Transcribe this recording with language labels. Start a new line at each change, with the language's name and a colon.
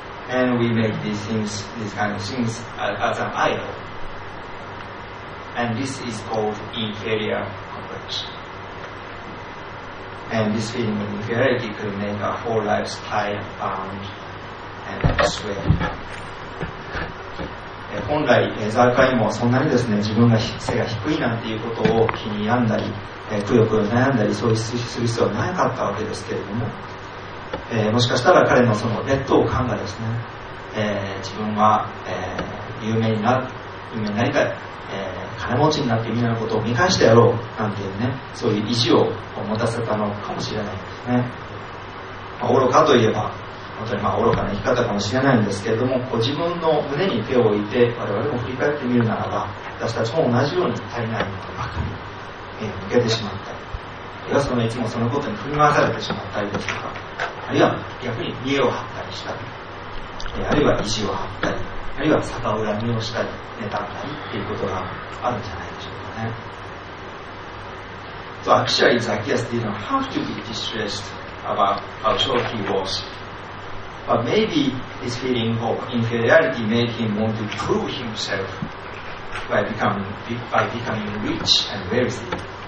English: And we make these kind of things as an idol. And this is called inferior complex. And this feeling of inferiority could make our whole lives tired, bound, and sweat.
Japanese: 本来、ザーカイもそんなにですね、自分が背が低いなんていうことを気に病んだり、くよくよ悩んだり、そういうする必要はなかったわけですけれども、もしかしたら彼のその劣等感がですね、自分は、有名になりたい。金持ちになってみんなのことを見返してやろうなんていうね、そういう意地を持たせたのかもしれないですね。まあ、愚かといえば本当にまあ愚かな生き方かもしれないんですけれども、こう自分の胸に手を置いて我々も振り返ってみるならば、私たちも同じように足りないものばかり目を向けてしまったり、いつもそのことに振り回されてしまったりですとか、あるいは逆に見栄を張ったりしたり、あるいは意地を張ったり、あるいは逆恨みをしたり妬んだりということがあるんじゃないでしょうかね。
English: So actually Zacchaeus didn't have to be distressed about how short he was, but maybe his feeling of inferiority made him want to prove himself by becoming rich and wealthy.